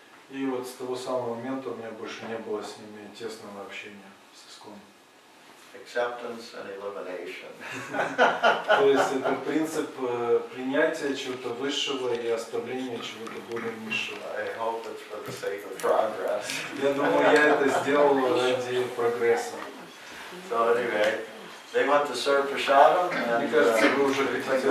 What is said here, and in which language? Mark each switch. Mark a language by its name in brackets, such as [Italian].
[Russian] И вот с того самого момента у меня больше не было с ними тесного общения с Искон. [English] Acceptance and elimination. [Russian] То есть это принцип принятия чего-то высшего и оставления чего-то более низшего. [English] I hope it's for the sake of progress. [Russian] Я думаю, я это сделал ради прогресса. [English] So anyway, they want to serve prasadam. [Russian] Мне кажется, вы уже хотите